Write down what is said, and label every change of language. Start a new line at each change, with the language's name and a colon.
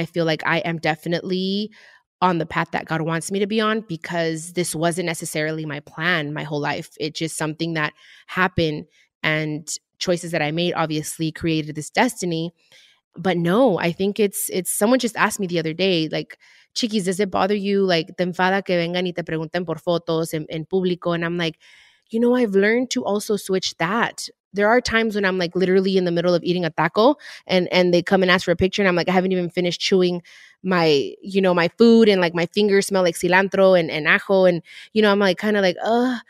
English: I feel like I am definitely on the path that God wants me to be on, because this wasn't necessarily my plan my whole life. It's just something that happened, and choices that I made obviously created this destiny. But no, I think it's someone just asked me the other day, like, Chiquis, does it bother you?
Spanish: Like, te enfada que vengan y te pregunten por fotos en público?
English: And I'm like, you know, I've learned to also switch that. There are times when I'm like literally in the middle of eating a taco and they come and ask for a picture. And I'm like, I haven't even finished chewing my, you know, my food, and like my fingers smell like cilantro and ajo. And, you know, I'm like kind of like, ugh.